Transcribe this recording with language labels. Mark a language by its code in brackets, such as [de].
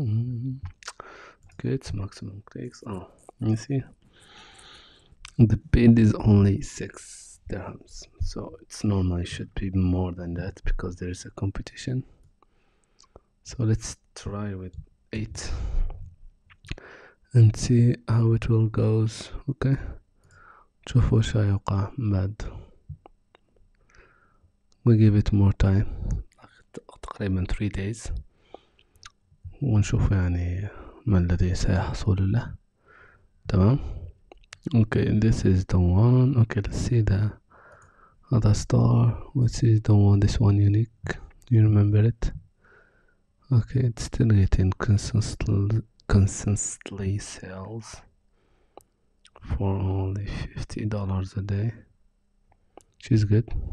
[en] Okay, it's maximum clicks. Oh, you see, the bid is only 6 dirhams, so it's normally should be more than that because there is a competition. So let's try with 8 and see how it will goes. [ar] Okay, شوفوا شو يوقع بعد. [en] We give it more time, تقريبا 3 days [ar] ونشوف يعني ما الذي سيحصل له. [en] تمام. Okay, this is the one. Okay, let's see the other star. Which is the one, this one unique, you remember it? Okay, it's still getting consistently sales for only $50 a day, which is good.